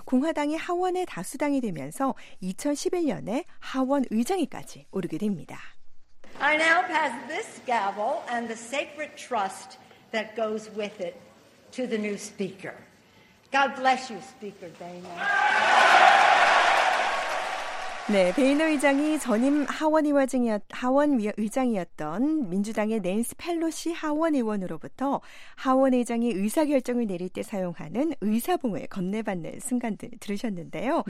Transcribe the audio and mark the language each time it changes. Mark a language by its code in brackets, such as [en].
[ko] 공화당이 하원의 다수당이 되면서 2011년에 하원 의장에까지 오르게 됩니다. [en] I now pass this gavel and the sacred trust that goes with it to the new speaker. God bless you, Speaker Boehner. [ko] 네, 베이너 의장이 전임 하원의장이었던 민주당의 낸시 펠로시 하원의원으로부터 하원의장이 의사결정을 내릴 때 사용하는 의사봉을 건네받는 순간들 들으셨는데요.